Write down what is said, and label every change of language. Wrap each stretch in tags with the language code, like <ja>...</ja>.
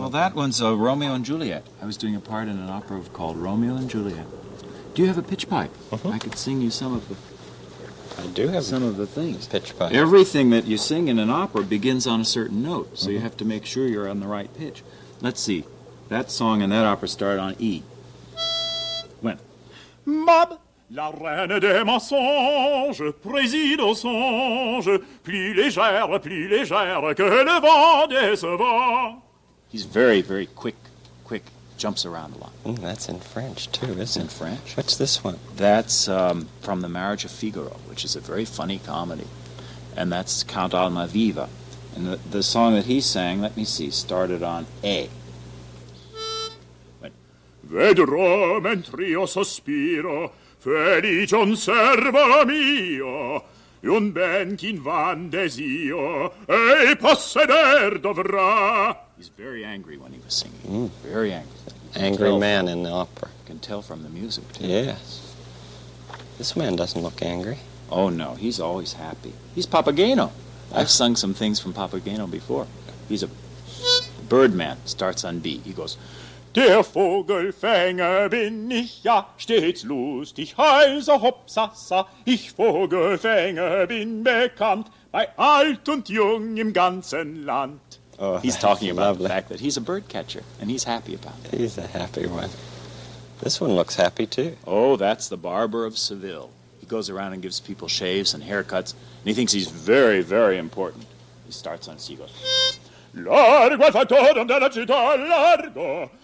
<en>Well, that one's Romeo and Juliet. I was doing a part in an opera called Romeo and Juliet. Do you have a pitch pipe? Mm-hmm. I could sing you some of the... I do have some of the things. Pitch pipe. Everything that you sing in an opera begins on a certain note, so mm-hmm. you have to make sure you're on the right pitch. Let's see. That song and that opera start on E. When? Mab!</en> <fr>La reine des mensonges préside aux songes, plus légère que le vent décevant.</fr> <en>He's very, very quick, jumps around a lot. Mm, that's in French, too, isn't it? It's in French. What's this one? That's from The Marriage of Figaro, which is a very funny comedy. And that's Count Alma Viva. And the song that he sang, let me see, started on A.</en> <it>Vedrò mentre io sospiro felice un servo mio, un ben ch'in van desio e posseder dovrà.</it> <en>He's very angry when he was singing. Mm. Very angry. Angry man in the opera. You can tell from the music, too. Yes. This man doesn't look angry. Oh, no. He's always happy. He's Papageno. I've sung some things from Papageno before. He's a bird man. Starts on B. He goes...</en> <de>Der Vogelfänger bin ich ja, stets lustig, heiser, hopsassa. Ich Vogelfänger bin bekannt bei alt und jung im ganzen Land.</de> <en>Oh, he's talking about lovely. The fact that he's a bird catcher, and he's happy about it. He's a happy one. This one looks happy, too. Oh, that's the barber of Seville. He goes around and gives people shaves and haircuts, and he thinks he's very, very important. He starts on seagulls.</en> <it>Largo al fattore della città, largo!</it>